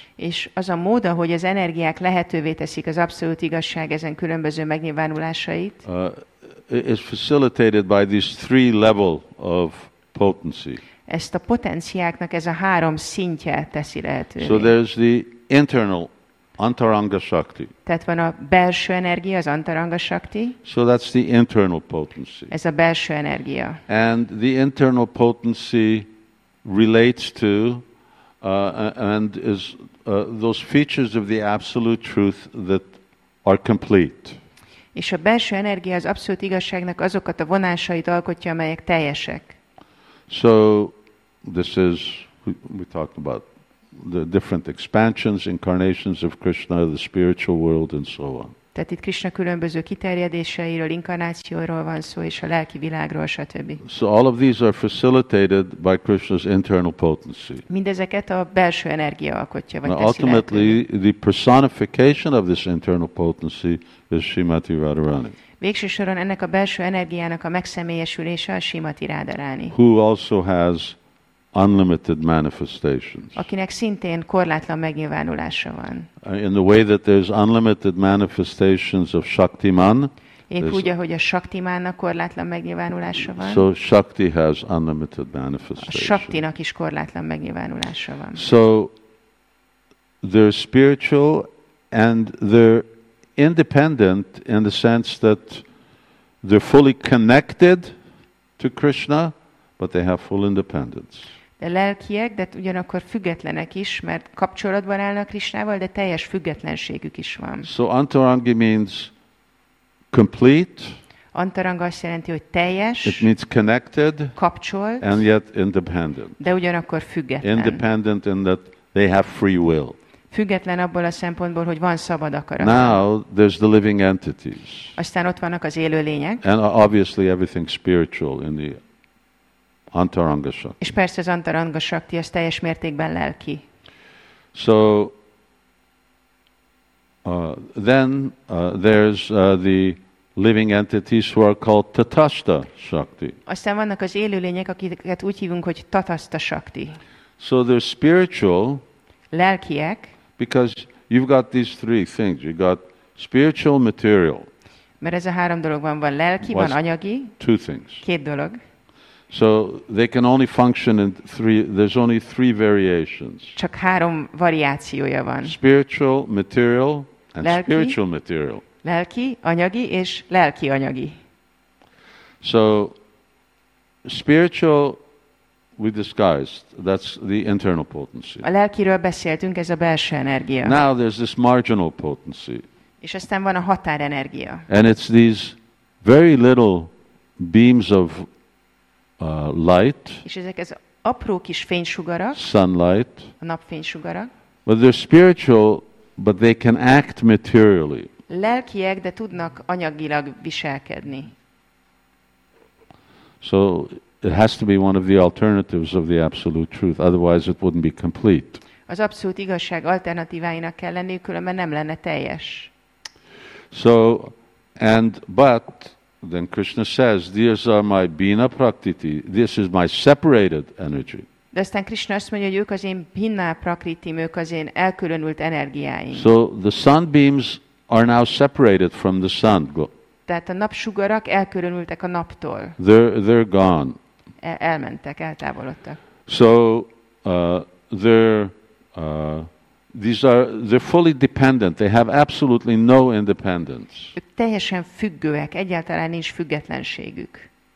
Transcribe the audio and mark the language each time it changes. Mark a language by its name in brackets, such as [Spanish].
[Hungarian] És az a mód, ahogy az energiák lehetővé teszik az abszolút igazság ezen különböző megnyilvánulásait. [English] Is facilitated by these three level of potency. [Hungarian] Ezt a potenciáknak ez a három szintje teszi lehetővé. [English] So there's the internal antaranga shakti. [Hungarian] Tehát van a belső energia, az antaranga shakti. [English] So that's the internal potency. [Hungarian] Ez a belső energia. [English] And the internal potency relates to and is those features of the absolute truth that are complete. [Hungarian] És a belső energia az abszolút igazságnak azokat a vonásait alkotja, amelyek teljesek. [English] So this is we talked about the different expansions, incarnations of Krishna, the spiritual world, and so on. [Hungarian] Tehát itt Krishna különböző kiterjedéseiről, inkarnációról van szó, és a lelki világról, stb. [English] So all of these are facilitated by Krishna's internal potency. [Hungarian] Mindezeket a belső energia alkotja, vagy teszi lehetővé. [English] Ultimately, the personification of this internal potency is Srimati Radharani. [Hungarian] Végső soron ennek a belső energiának a megszemélyesülése a Srimati Radharani. [English] Who also has unlimited manifestations. [Hungarian] Akinek szintén korlátlan megnyilvánulása van. [English] In the way that there's unlimited manifestations of Shaktiman. [Hungarian] Épp úgy, ahogy a Shaktimannak korlátlan megnyilvánulása van. [English] So Shakti has unlimited manifestations. [Hungarian] A Shaktinak is korlátlan megnyilvánulása van. [English] So they're spiritual and they're independent in the sense that they're fully connected to Krishna, but they have full independence. [Hungarian] De lelkiek, de ugyanakkor függetlenek is, mert kapcsolatban állnak Krisnával, de teljes függetlenségük is van. [English] So antarangi means complete. [Hungarian] Antaranga azt jelenti, hogy teljes, [English] it means connected, [Hungarian] kapcsolt, [English] and yet independent. [Hungarian] De ugyanakkor független. [English] Independent in that they have free will. [Hungarian] Független abból a szempontból, hogy van szabad akarat. [English] Now there's the living entities. [Hungarian] Aztán ott vannak az élő lények. [English] And obviously everything spiritual in the Antaranga Shakti. [Hungarian] És persze az Antaranga Shakti az teljes mértékben lelki. [English] So then there's the living entities who are called Tathasta Shakti. [Hungarian] Aztán vannak az élő lények, akiket úgy hívunk, hogy Tathasta Shakti. [English] So they're spiritual. [Hungarian] Lelkiek. [English] Because you've got these three things. You've got spiritual, material. [Hungarian] Mert ez a három dolog van. Van lelki, van anyagi. [English] Two things. [Hungarian] Két dolog. [English] So they can only function in three, there's only three variations. [Hungarian] Csak három variációja van. [English] Spiritual, material, and [Hungarian] lelki, [English] spiritual material. [Hungarian] Lelki, anyagi és lelki anyagi. [English] So spiritual we discussed, that's the internal potency. [Hungarian] A lelkiről beszéltünk, ez a belső energia. [English] Now there's this marginal potency. [Hungarian] És aztán van a határenergia. [English] And it's these very little beams of light. [Hungarian] És ezek az apró kis fénysugarak. [English] Sunlight. [Hungarian] A napfénysugarak. [English] But they're spiritual, but they can act materially. [Hungarian] Lelkiek, de tudnak anyagilag viselkedni. [English] So it has to be one of the alternatives of the absolute truth, otherwise it wouldn't be complete. [Hungarian] Az abszolút igazság alternatíváinak kell lenni, különben nem lenne teljes. [English] So, and but then Krishna says, these are my bina prakriti, this is my separated energy. [Hungarian] De aztán Krishna azt mondja, hogy ők az én bina prakriti, ők az én elkülönült energiáim. [English] So the sun beams are now separated from the sun. [Hungarian] Tehát a napsugarak elkülönültek a naptól. [English] They're gone. [Hungarian] Elmentek, eltávolodtak. [English] So they're fully dependent. They have absolutely no independence. [Hungarian] Teljesen függőek, egyáltalán nincs függetlenségük.